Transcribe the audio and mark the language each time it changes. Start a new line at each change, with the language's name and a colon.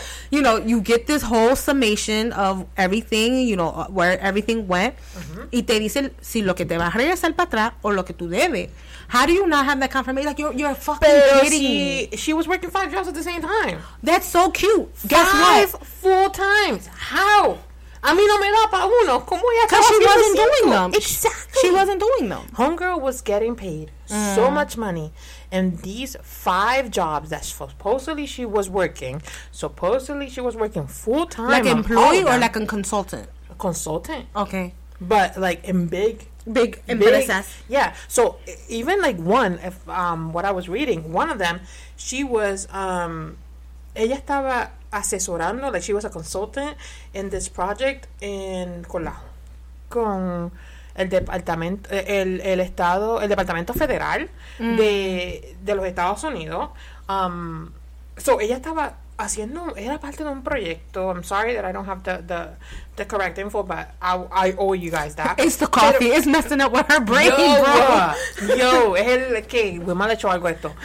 English: You know, you get this whole summation of everything, you know, where everything went.
Spanish: Y te dice si lo que te va a regresar para atrás o lo que tú debes.
English: How do you not have that confirmation? Like, you're fucking kidding me. She was working 5 jobs at the same time. That's so cute. Guess what? 5 full times. How?
Spanish: A mí no me da pa uno. ¿Cómo ya?
English: Because she wasn't doing them. Exactly. She wasn't doing them. Homegirl was getting paid so much money. And these 5 jobs that supposedly she was working, full time. Like employee or like a consultant? A consultant. Okay. But like in big. Big. In business. Yeah. So even like one, if what I was reading, one of them, she was,
Spanish: ella estaba... asesorando,
English: like she was a consultant in this project in
Spanish: con el departamento el estado el departamento federal de los Estados Unidos.
English: So
Spanish: ella estaba haciendo, era parte de un proyecto.
English: I'm sorry that I don't have the correct info, but I owe you guys that. It's the coffee. It's messing up with her brain, yo, bro.
Spanish: Yo, es el que Wilma le echó algo esto.